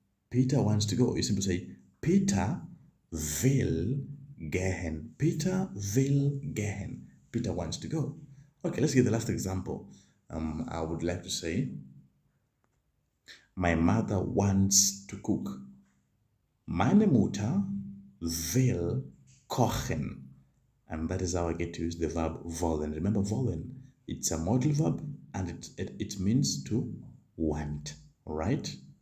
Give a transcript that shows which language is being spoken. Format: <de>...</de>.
<en>Peter wants to go. You simply say,</en> <de>Peter will gehen. Peter will gehen.</de> <en>Peter wants to go. Okay, let's get the last example. I would like to say, my mother wants to cook.</en> <de>Meine Mutter will kochen.</de> <en>And that is how I get to use the verb wollen. Remember, wollen, it's a modal verb and it means to want, right?</en>